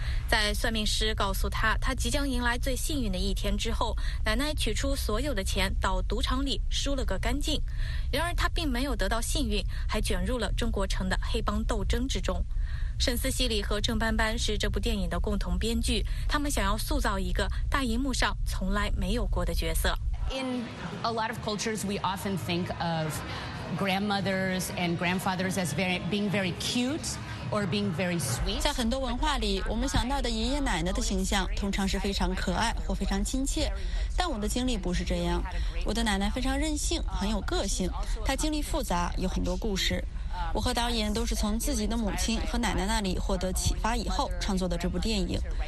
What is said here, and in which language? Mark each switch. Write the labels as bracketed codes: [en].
[zh] 在算命师告诉她她即将迎来最幸运的一天之后，奶奶取出所有的钱到赌场里输了个干净。然而她并没有得到幸运，还卷入了中国城的黑帮斗争之中。沈思西里和郑班班是这部电影的共同编剧，他们想要塑造一个大荧幕上从来没有过的角色。 [en] In a lot of cultures, we often think of grandmothers and grandfathers as being very cute or being very sweet. [zh] 在很多文化里，我们想到的爷爷奶奶的形象通常是非常可爱或非常亲切。但我的经历不是这样。我的奶奶非常任性，很有个性。她经历复杂，有很多故事。我和导演都是从自己的母亲和奶奶那里获得启发以后创作的这部电影。